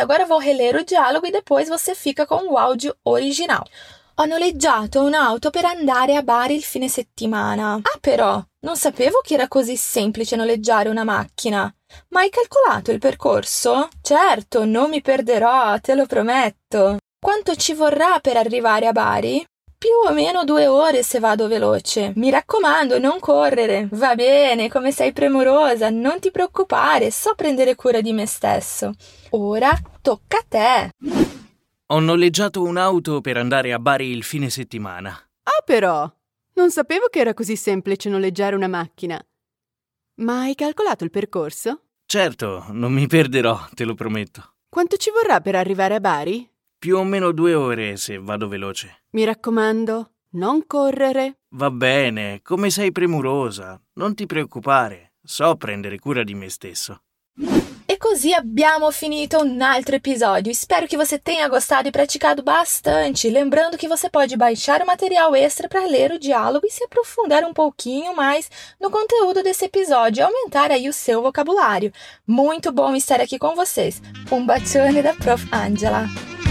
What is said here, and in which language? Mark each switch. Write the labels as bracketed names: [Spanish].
[Portuguese] Agora vou reler o diálogo e depois você fica com o áudio original. [Italian] Ho noleggiato un'auto per andare a Bari il fine settimana. Ah, però, non sapevo che era così semplice noleggiare una macchina. Ma hai calcolato il percorso? Certo, non mi perderò, te lo prometto. Quanto ci vorrà per arrivare a Bari? Più o meno 2 ore se vado veloce. Mi raccomando, non correre. Va bene, come sei premurosa, non ti preoccupare, so prendere cura di me stesso. Ora tocca a te. Ho noleggiato un'auto per andare a Bari il fine settimana. Ah, però! Non sapevo che era così semplice noleggiare una macchina. Ma hai calcolato il percorso? Certo, non mi perderò, te lo prometto. Quanto ci vorrà per arrivare a Bari? Più o meno 2 ore se vado veloce. Mi raccomando, non correre. Va bene, come sei premurosa. Non ti preoccupare, so prendere cura di me stesso. E così abbiamo finito un altro episodio. Spero che [Portuguese] você tenha gostado e praticado bastante. Lembrando che você pode baixar o material extra para ler o diálogo e se aprofundar um pouquinho mais no conteúdo desse episódio e aumentar aí o seu vocabulário. Muito bom estar aqui com vocês. Um bacione da Prof. Angela.